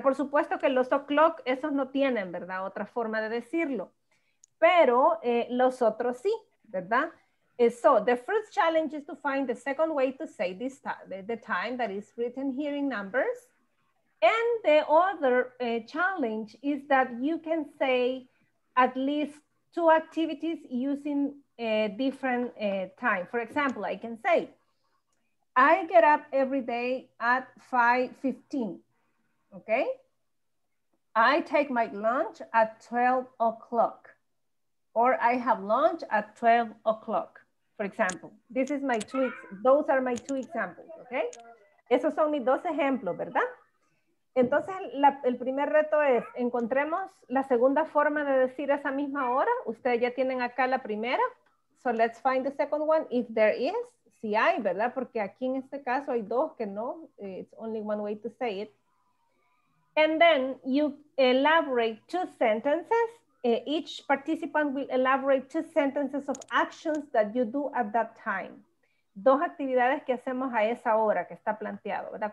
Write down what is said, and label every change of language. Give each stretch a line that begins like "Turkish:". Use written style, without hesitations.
Spanish: Por supuesto que los o'clock, esos no tienen, ¿verdad? Otra forma de decirlo. Pero los otros sí, ¿verdad?
English: So the first challenge is to find the second way to say this the time that is written here in numbers. And the other challenge is that you can say at least two activities using a different time. For example, I can say, I get up every day at 5:15, okay? I take my lunch at 12 o'clock, or I have lunch at 12 o'clock, for example. This is my two, those are my two examples, okay?
Spanish: Esos son mis dos ejemplos, ¿verdad? Entonces, el primer reto es, encontremos la segunda forma de decir esa misma hora. Ustedes ya tienen acá la primera.
English: So let's find the second one, if there is,
Spanish: si hay, ¿verdad? Porque aquí en este caso hay dos que no,
English: it's only one way to say it. And then you elaborate two sentences. Each participant will elaborate two sentences of actions that you do at that time.
Spanish: Dos actividades que hacemos a esa hora que está planteado, ¿verdad?